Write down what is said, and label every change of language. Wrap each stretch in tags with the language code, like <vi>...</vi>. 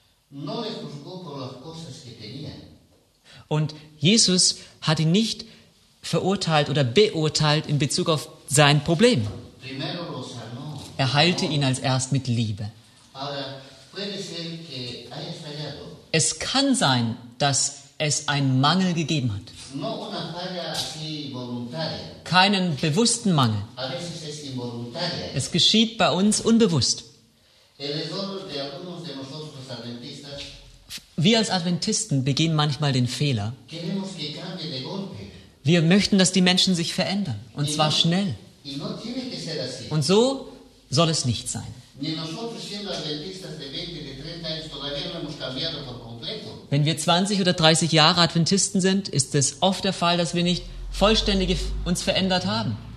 <es>No le juzgó por las cosas que tenía.</es> <de>Und Jesus hat ihn nicht verurteilt oder beurteilt in Bezug auf sein Problem.</de> <es>Primero lo sanó.</es> <de>Er heilte ihn als erst mit Liebe.</de> <es>Ahora, puede ser que haya fallado.</es> <de>Es kann sein, dass es einen Mangel gegeben hat.</de> <es>No una falla así voluntaria.</es> <de>Keinen bewussten Mangel.</de> <es>A veces es involuntaria.</es> <de>Es geschieht bei uns unbewusst.</de> <es>El error de algunos de nosotros, los adventistas,</es> <de>wir als Adventisten begehen manchmal den Fehler.</de> <es>Queremos que cambie de golpe.</es> <de>Wir möchten, dass die Menschen sich verändern. Und zwar schnell.</de> <es>Y no tiene que ser así.</es> <de>Und so soll es nicht sein.</de> <es>Ni nosotros siendo adventistas de 20, de 30 años, todavía no hemos cambiado por completo.</es> <de>Wenn wir 20 oder 30 Jahre Adventisten sind, ist es oft der Fall, dass wir nicht vollständig uns verändert haben.</de>